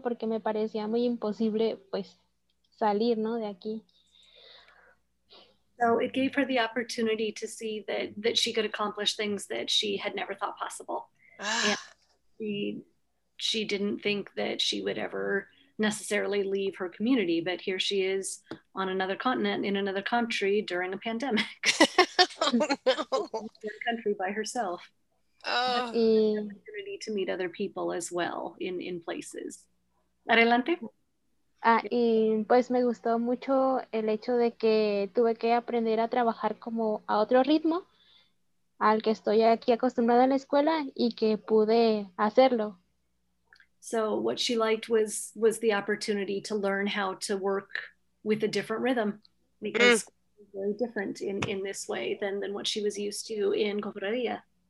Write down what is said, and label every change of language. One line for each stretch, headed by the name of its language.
Spanish: Porque me parecía muy imposible pues salir, ¿no? De aquí.
English: So it gave her the opportunity to see that she could accomplish things that she had never thought possible. Ah. She didn't think that she would ever necessarily leave her community, but here she is on another continent in another country during a pandemic. Oh, no. In a country by herself. Oh. Opportunity to meet other people as well in places.
Spanish: Adelante. Y pues me gustó mucho el hecho de que tuve que aprender a trabajar como a otro ritmo al que estoy aquí acostumbrada en la escuela y que pude hacerlo.
English: So what she liked was the opportunity to learn how to work with a different rhythm, because it's very different in this way than what she was used to in Cofradía.